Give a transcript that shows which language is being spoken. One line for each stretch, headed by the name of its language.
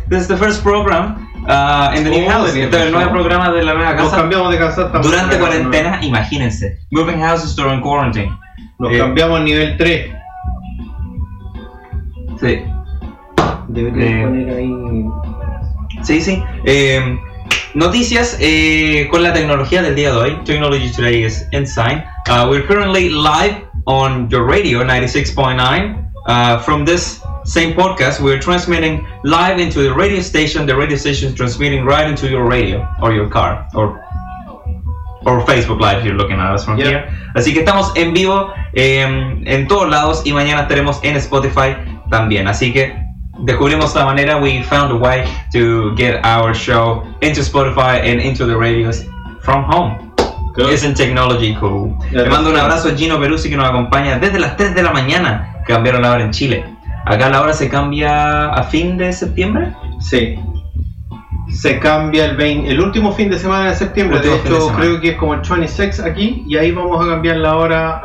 English: This is the first program in the new house.
Spanish: Entonces, el nuevo programa de la nueva casa. Nos cambiamos de casa también. Durante cuarentena, imagínense.
English: Moving houses during quarantine.
Spanish: Nos cambiamos a nivel 3. Sí. Debería poner ahí. Sí, sí. Noticias con la tecnología del día de hoy.
English: Technology today is insane. We're currently live on your radio, 96.9. From this same podcast, we're transmitting live into the radio station. The radio station is transmitting right into your radio or your car or Facebook Live, if you're looking at us from here.
Spanish: Así que estamos en vivo en todos lados, y mañana estaremos en Spotify también. Así que descubrimos la manera,
English: we found a way to get our show into Spotify and into the radios from home. Good. Isn't technology cool?
Spanish: Yeah, le mando un abrazo a Gino Peruzzi, que nos acompaña desde las 3 de la mañana. Cambiaron la hora en Chile. Acá la hora se cambia a fin de septiembre. Sí. Se cambia el último fin de semana de septiembre. De hecho, creo que es como el 26 aquí, y ahí vamos a cambiar la hora.